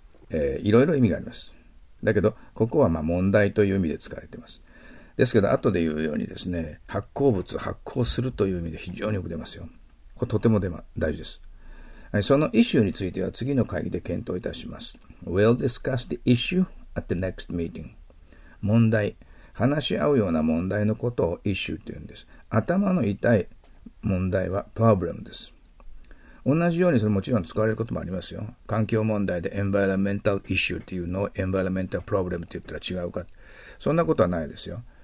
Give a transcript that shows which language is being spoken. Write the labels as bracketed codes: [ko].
[ja] いろいろ意味があります。だけどここはまあ問題という意味で使われています。ですけど後で言うようにですね、発行物、発行するという意味で非常によく出ますよ。これとても大事です。そのイシューについては次の会議で検討いたします。 [en] We'll discuss the issue at the next meeting。 [ja] 問題、話し合うような問題のことをイシューというんです。頭の痛い問題は problem です。同じようにそれもちろん使われることもありますよ。環境問題で [en] environmental issue [ja] っていうのを [en] environmental problem [ja] って言ったら違うか、そんなことはないですよ。